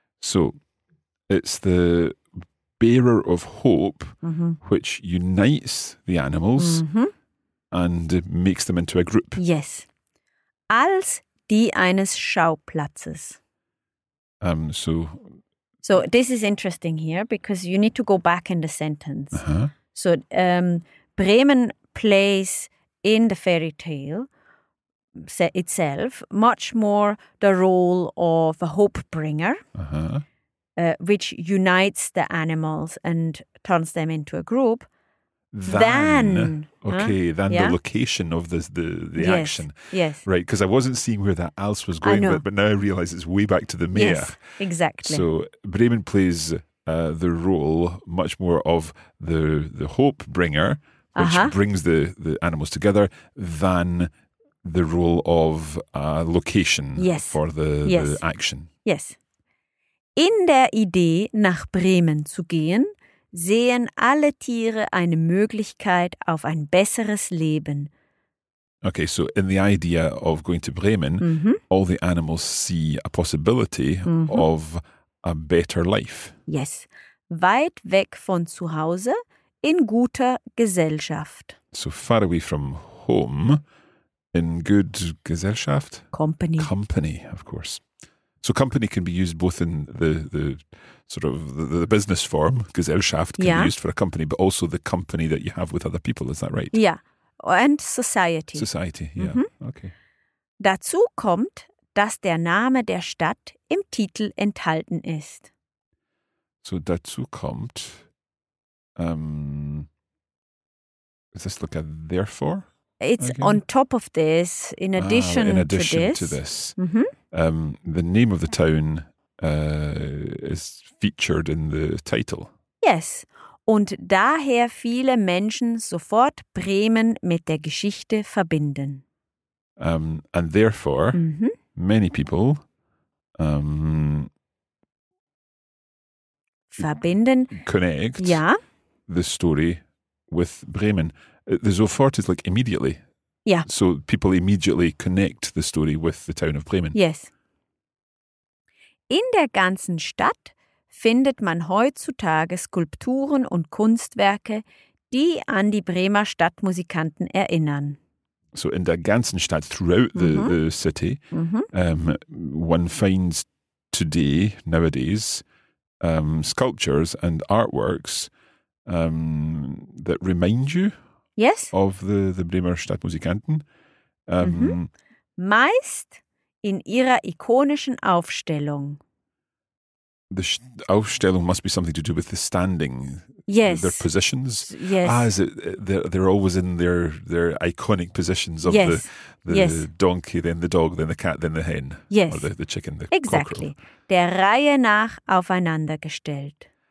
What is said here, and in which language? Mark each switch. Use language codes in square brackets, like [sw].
[en] So, it's the bearer of hope mm-hmm. which unites the animals. Mm-hmm. And makes them into a group. Yes. [de] Als die eines Schauplatzes. [en] So this is interesting here because you need to go back in the sentence. Uh-huh. So Bremen plays in the fairy tale itself much more the role of a hope bringer, uh-huh. Which unites the animals and turns them into a group. Than. Okay, huh? than yeah? the location of the yes. action. Yes. Right, because I wasn't seeing where that else was going, but now I realize it's way back to the mayor. Yes, exactly. So Bremen plays the role much more of the hope bringer, which uh-huh. brings the animals together, than the role of location yes. for the, yes. the action. Yes. [de] In der Idee, nach Bremen zu gehen, sehen alle Tiere eine Möglichkeit auf ein besseres Leben. [en] Okay, so in the idea of going to Bremen, mm-hmm. all the animals see a possibility mm-hmm. of a better life. Yes. [de] Weit weg von zu Hause, in guter Gesellschaft. [en] So far away from home, in good Gesellschaft? Company. Company, of course. So company can be used both in the sort of the business form, Gesellschaft can yeah. be used for a company, but also the company that you have with other people, is that right? Yeah, and society. Society, yeah, mm-hmm. okay. [de] Dazu kommt, dass der Name der Stadt im Titel enthalten ist. [en] So [de] dazu kommt, [en] is this like a therefore? It's again? On top of this, in addition to this. In addition to this. Mm-hmm. The name of the town is featured in the title. Yes. [de] Und daher viele Menschen sofort Bremen mit der Geschichte verbinden. [en] And therefore, mm-hmm. many people [de] verbinden. [en] Connect yeah. the story with Bremen. The sofort is like immediately. Yeah. So people immediately connect the story with the town of Bremen. Yes. [de] In der ganzen Stadt findet man heutzutage Skulpturen und Kunstwerke, die an die Bremer Stadtmusikanten erinnern. [en] So [de] in der ganzen Stadt, [en] throughout the, mm-hmm. the city, mm-hmm. One finds today, nowadays, sculptures and artworks that remind you yes. of the Bremer Stadtmusikanten. [de] Meist in ihrer ikonischen Aufstellung. [en] The Aufstellung must be something to do with the standing. Yes. Their positions. Yes. Ah, is it, they're always in their iconic positions of the donkey, then the dog, then the cat, then the hen. Yes. Or the chicken, the exactly. cockerel. [de] Der Reihe nach aufeinandergestellt.